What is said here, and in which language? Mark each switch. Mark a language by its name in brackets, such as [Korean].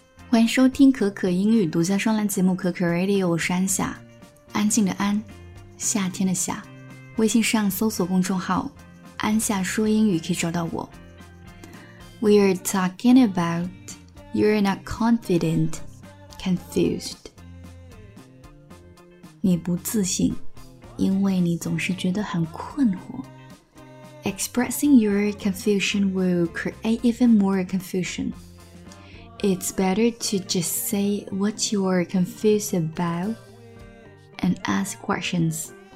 [Chinese] 欢迎收听可可英语独家双栏节目可可 Radio， 我是安夏，安静的安，夏天的夏。微信上搜索公众号安夏说英语可以找到我。 [English] We are talking about you're not confident, confused. [Chinese] 你不自信，因为你总是觉得很困惑。 [English] Expressing your confusion will create even more confusion. It's better to just say what you are confused about and ask questions.